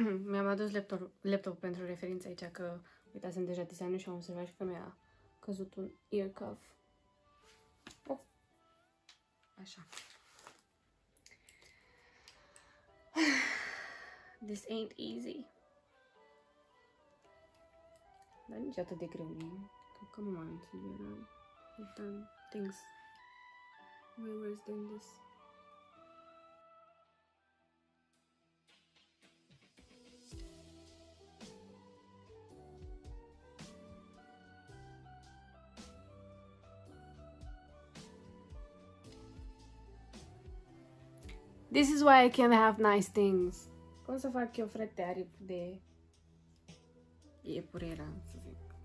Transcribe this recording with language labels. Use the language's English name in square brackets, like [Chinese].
[Romanian] Mi-am adus laptopul pentru referință aici, că uitasem deja designul și am observat că mi-a căzut un ear cuff. Oh. Așa. [English] This ain't easy. [Romanian] Dar nici atât de greu nu e. [English] Come on, Silvia. We've done things way worse than this. This is why I can have nice things. [Romanian] Cum să fac eu, frate, aripi de iepure era, să zic.